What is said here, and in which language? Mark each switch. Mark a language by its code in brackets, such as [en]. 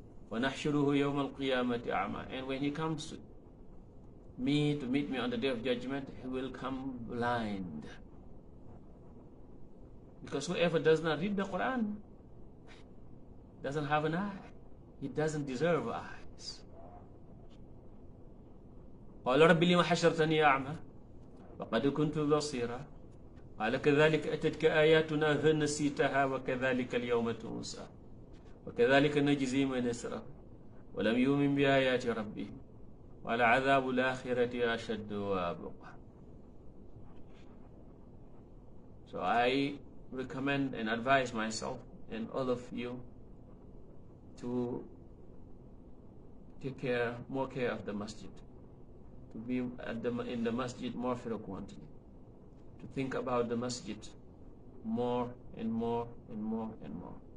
[ar] وَنَحْشُرُهُ يَوْمَ الْقِيَامَةِ أَعْمَى. [en] And when he comes to me, to meet me on the Day of Judgment, he will come blind. Because whoever does not read the Quran doesn't have an eye. He doesn't deserve eyes. [ar] قال رب لما حشرتني أعمى وقد كنت بصيرا قال كذلك أتتك آياتنا فنسيتها وكذلك اليوم تنسى وكذلك نجزي من أسرى ولم يؤمن بآيات ربه ولعذاب الآخرة أشد وأبقى. [en] So I recommend and advise myself and all of you to take care, more care of the masjid, to be at the, in the masjid more frequently, to think about the masjid more and more and more and more.